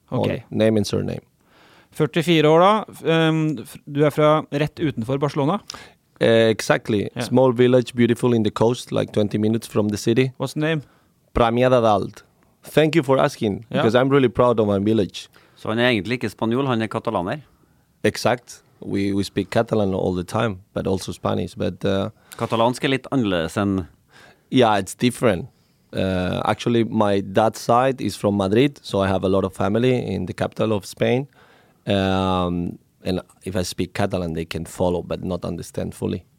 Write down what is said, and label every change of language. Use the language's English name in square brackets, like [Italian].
[English] Okay. Name and surname. [Norwegian] 44 år da, du fra rett utenfor Barcelona? [English] Exactly, yeah. Small village, beautiful in the coast, like 20 minutes from the city. What's the name? Premià de Dalt, Thank you for asking, yeah. because I'm really proud of my village. [Norwegian] Så han egentlig ikke spanjol, han katalaner. Exakt. [English] We speak Catalan all the time, but also Spanish. But [Norwegian] katalansk litt annerledes enn... [English] Yeah, it's different. Actually, my dad's side is from Madrid, so I have a lot of family in the capital of Spain. And if I speak Catalan, they can follow, but not understand fully.